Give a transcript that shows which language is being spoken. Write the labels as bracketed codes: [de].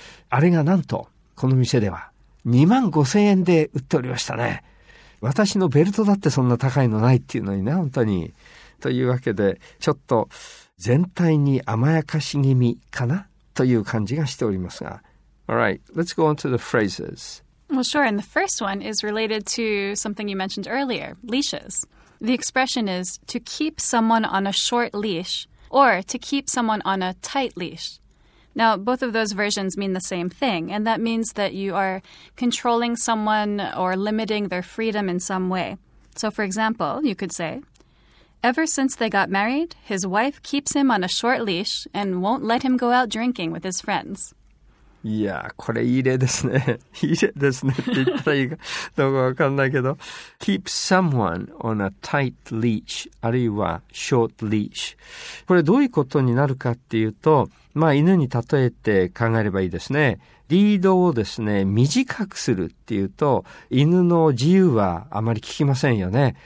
[ja] あれがなんとこの店では25,000円で売っておりましたね。私のベルトだってそんな高いのないっていうのにね、本当に。というわけで、ちょっと全体に甘やかし気味かなという感じがしておりますが。 [en] All right, let's go on to the phrases. Well, sure, and the first one is related to something you mentioned earlier, leashes. The expression is to keep someone on a short leash or to keep someone on a tight leash. Now, both of those versions mean the same thing, and that means that you are controlling someone or limiting their freedom in some way. So, for example, you could say, Ever since they got married, his wife keeps him on a short leash and won't let him go out drinking with his friends. Yeah, [ja] これいい例ですね。いい例ですねって言ったらいいかどうかわかんないけど。 [en] Keep someone on a tight leash, あるいは short leash. [ja] これどういうことになるかっていうと、まあ、犬に例えて考えればいいですね。リードをですね、短くするっていうと、犬の自由はあまり効きませんよね。